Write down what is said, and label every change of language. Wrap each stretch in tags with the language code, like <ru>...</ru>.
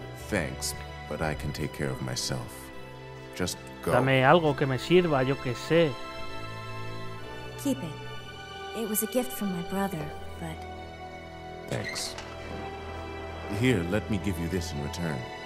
<en>Thanks, but I can take care of myself. Just go.</en> <es>Dame algo que me sirva, yo qué sé.</es> <en>Keep it. It was a gift from my brother, but... Thanks. Here, let me give you this in return.</en>